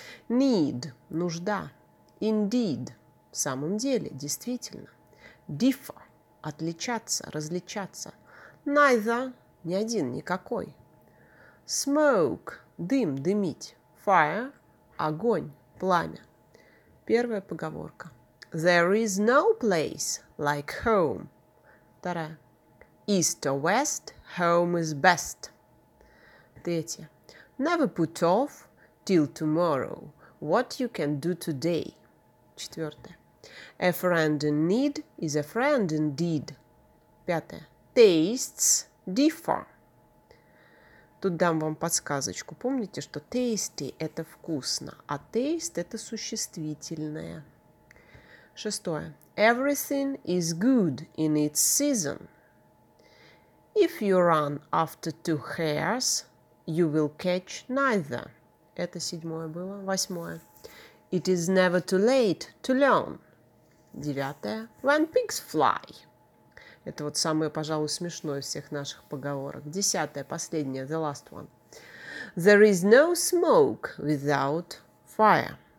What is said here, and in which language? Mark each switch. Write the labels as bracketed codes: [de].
[ru] Need – нужда. Indeed – в самом деле, действительно. Differ – отличаться, различаться. Neither – ни один, никакой. Smoke – дым, дымить. Fire – огонь, пламя. Первая поговорка. [en] There is no place like home. [ru] Вторая. [en] East or west – home is best. [ru] Третье. [en] Never put off till tomorrow what you can do today. [ru] Четвертое. [en] A friend in need is a friend indeed. [ru] Пятое. [en] Tastes differ. [ru] Тут дам вам подсказочку. Помните, что tasty – это вкусно, а taste – это существительное. Шестое. [en] Everything is good in its season. If you run after two hares, you will catch neither. [ru] Это седьмое было. Восьмое. [en] It is never too late to learn. [ru] Девятое. [en] When pigs fly. [ru] Это вот самое, пожалуй, смешное из всех наших поговорок. Десятое, последнее, [en] the last one. There is no smoke without fire.